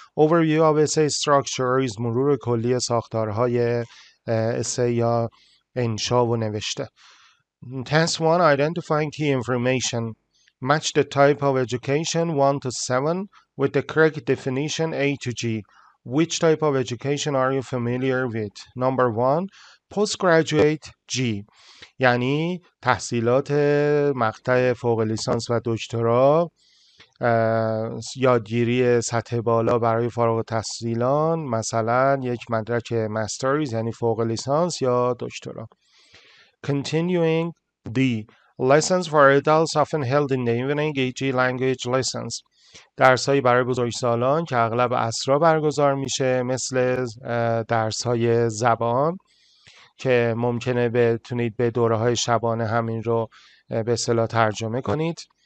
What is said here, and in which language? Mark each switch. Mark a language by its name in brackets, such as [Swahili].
[English] Overview of essay structures, [Persian] مرور کلی ساختارهای اسه یا انشا و نوشته. [English] Task 1, identifying key information, match the type of education 1-7 with the correct definition A-G. Which type of education are you familiar with? Number 1, postgraduate G. [Persian] یعنی تحصیلات مقطع فوق لیسانس و دکترا، یادگیری سطح بالا برای فارغ التحصیلان، مثلا یک مدرک ماسترز یعنی فوق لیسانس یا دکترا. [English] Continuing D. Lessons for adults often held in the evening, A.G. language lessons. [Persian] درس‌های برای بزرگسالان که اغلب عصرا برگزار میشه، مثل درس‌های زبان که ممکنه بتونید به دوره‌های شبانه همین رو به اصطلاح ترجمه کنید.